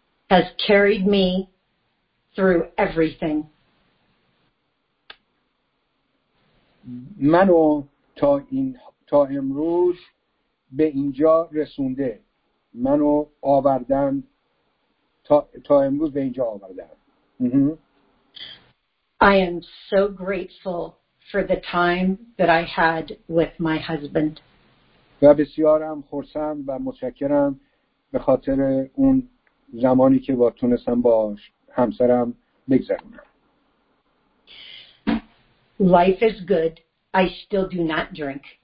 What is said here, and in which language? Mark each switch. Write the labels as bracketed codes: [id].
[en] has carried me through everything. [fa] منو تا امروز به اینجا رسونده. منو آوردن تا امروز به اینجا آوردن. [en] I am so grateful for the time that I had with my husband. [fa] و بسیارم خرسند و متشکرم به خاطر اون زمانی که با تونستم با همسرم بگذرونم. [en] Life is good. I still do not drink.